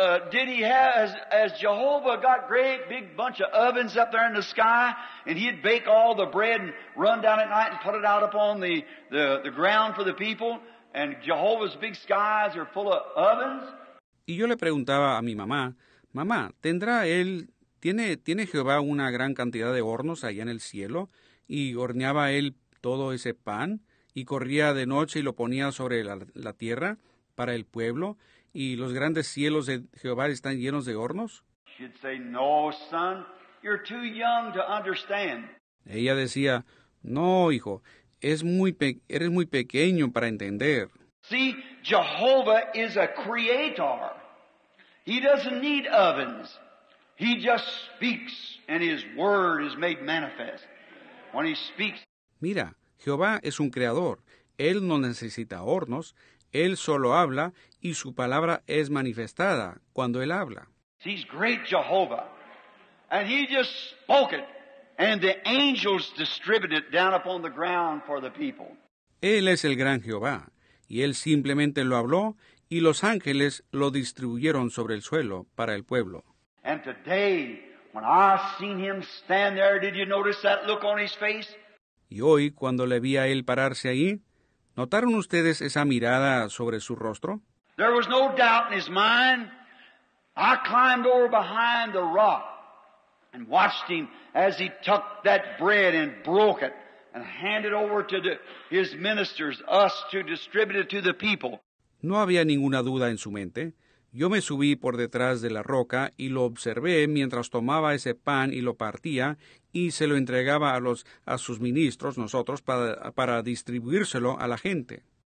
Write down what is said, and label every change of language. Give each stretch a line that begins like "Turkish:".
English: did he have, as Jehovah got great big bunch of ovens up there in the sky, and he'd bake all the bread and run down at night and put it out upon the ground for the people, and Jehovah's big skies are full of ovens?
Spanish: Y yo le preguntaba a mi mamá, mamá, ¿tendrá él, tiene Jehová una gran cantidad de hornos allá en el cielo? Y horneaba él todo ese pan, y corría de noche y lo ponía sobre la tierra para el pueblo, y los grandes cielos de Jehová están llenos de hornos.
English: She'd say, no, son, you're too young to understand.
Spanish: Ella decía, no, hijo, eres muy pequeño para entender.
English: See, Jehovah is a creator. He doesn't need ovens. He just speaks, and his word is made manifest when he speaks.
Spanish: Mira, Jehová es un creador. Él no necesita hornos. Él solo habla, y su palabra es manifestada cuando él habla.
English: He's great Jehovah, and he just spoke it, and the angels distributed it down upon the ground for the people.
Spanish: Él es el gran Jehová, y él simplemente lo habló, y los ángeles lo distribuyeron sobre el suelo para el pueblo.
English: And today, when I seen him stand there, did you notice that look on his face?
Spanish: Y hoy, cuando le vi a él pararse ahí, ¿notaron ustedes esa mirada sobre su rostro?
English: There was no doubt in his mind. I climbed over behind the rock and watched him as he took that bread and broke it and handed over to his ministers, us, to distribute it to the people.
Spanish: No había ninguna duda en su mente. Yo me subí por detrás de la roca y lo observé mientras tomaba ese pan y lo partía y se lo entregaba a sus ministros, nosotros, para distribuírselo a la gente.